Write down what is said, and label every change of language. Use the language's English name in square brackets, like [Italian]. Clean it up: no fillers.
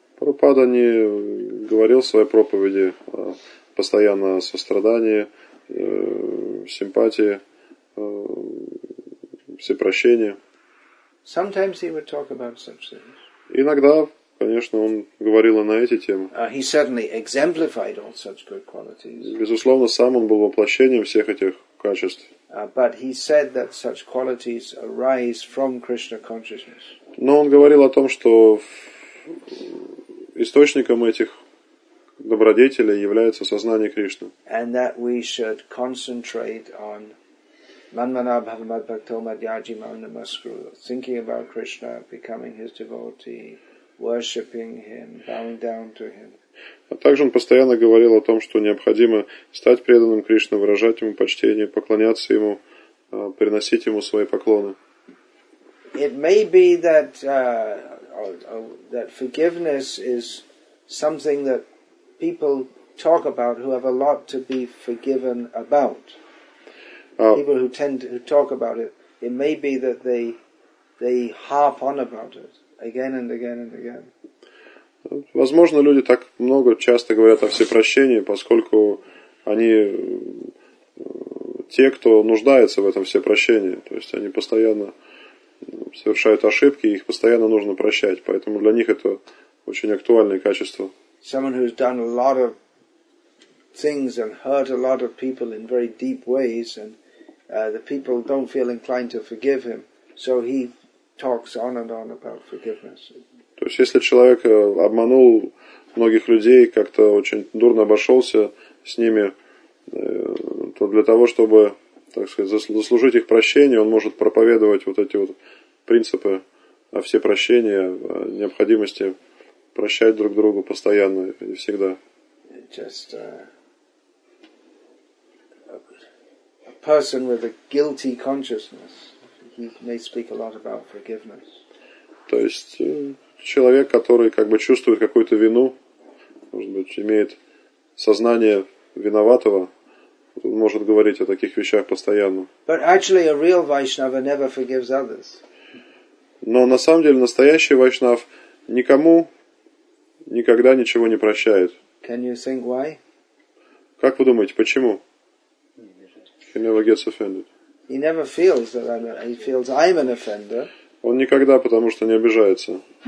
[Russian] Прабхупада не говорил в своей проповеди постоянно о сострадании, симпатии, всепрощении. [English] Sometimes he would talk about such things. [Russian] Иногда, конечно, он говорил и на эти темы. [English] He certainly exemplified all such good qualities. [Russian] Безусловно, сам он был воплощением всех этих качеств. [English] But he said that such qualities arise from Krishna consciousness. [Russian] Но он говорил о том, что источником этих добродетелей является сознание Кришны. [English] And that we should concentrate on Manmanabhava Madbhakto Madhyaji Manamaskru, thinking about Krishna, becoming his devotee, worshipping him, bowing down to him. [Russian] А также он постоянно говорил о том, что необходимо стать преданным Кришне, выражать ему почтение, поклоняться ему, приносить ему свои поклоны. [English] It may be that that forgiveness is something that people talk about who have a lot to be forgiven about. People who tend to talk about it, it may be that they harp on about it again and again and again. [Russian] Возможно, люди так много часто говорят о всепрощении, поскольку они те, кто нуждается в этом всепрощении. То есть они постоянно совершают ошибки, их постоянно нужно прощать. Поэтому для них это очень актуальное качество. [English] Someone who's done a lot of things and hurt a lot of people in very deep ways, and the people don't feel inclined to forgive him, so he talks on and on about forgiveness. [Russian] То есть, если человек обманул многих людей, как-то очень дурно обошелся с ними, то для того, чтобы, так сказать, заслужить их прощение, он может проповедовать вот эти вот принципы о всепрощении, о необходимости прощать друг другу постоянно и всегда. [English] Just a person with a guilty consciousness, he may speak a lot about forgiveness. [Russian] То есть человек, который как бы чувствует какую-то вину, может быть, имеет сознание виноватого, он может говорить о таких вещах постоянно. [English] But actually, a real Vaishnava never forgives others. [Russian] Но на самом деле настоящий вайшнав никому никогда ничего не прощает. [English] Can you think why? [Russian] Как вы думаете, почему? [English] He never gets offended. He never feels that I'm he feels I'm an offender. [Russian] Он никогда, потому что не обижается.